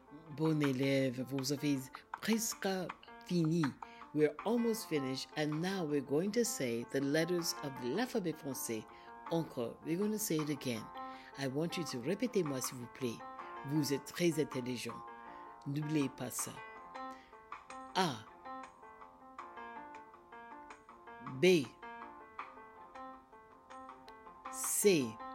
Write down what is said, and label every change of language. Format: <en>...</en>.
<fr>Bon élève, vous avez presque fini.</fr> <en>We're almost finished, and now we're going to say the letters of</en> <fr>l'alphabet français. Encore,</fr> <en>we're going to say it again. I want you to</en> <fr>répéter moi, s'il vous plaît. Vous êtes très intelligent. N'oubliez pas ça. A. B. C.</fr>